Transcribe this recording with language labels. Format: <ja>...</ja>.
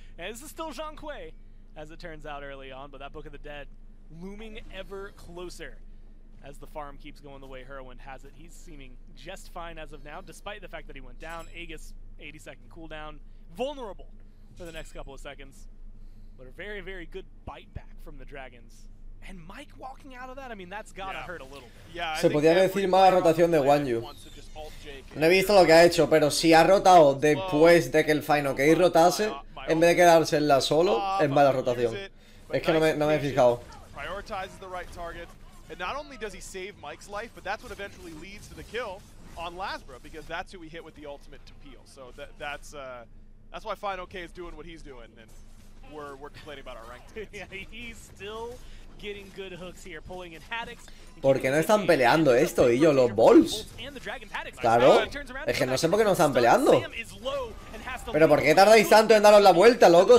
<en>And this is still Zhang Kuei, as it turns out early on, but that Book of the Dead looming ever closer as the farm keeps going the way Hurwind has it. He's seeming just fine as of now, despite the fact that he went down. Aegis, 80-second cooldown, vulnerable for the next couple of seconds. But a very, very good bite back from the dragons. And Mike walking out of that, I mean, that's gotta, yeah, hurt a little bit.</en> <es>Yeah, se podía decir mala rotación de Guan Yu. No he visto lo que ha hecho, pero si ha rotado después de que el Fine OK rotase, en vez de quedarse en la solo, es mala rotación. Es que no me he fijado.</es> <en>Prioritizes the right target. And not only does he save Mike's life, but that's what eventually leads to the kill on Lazbro, because that's who he hit with the ultimate to peel. So that's why Fine OK is doing what he's doing, and we're complaining about our rank. Yeah, he's still getting good hooks here, pulling in Haddix.</en> <es>¿Por qué no están peleando esto, y yo, los Bolts? Claro, es que no sé por qué no están peleando. Pero ¿por qué tardáis tanto en daros la vuelta, loco?</es>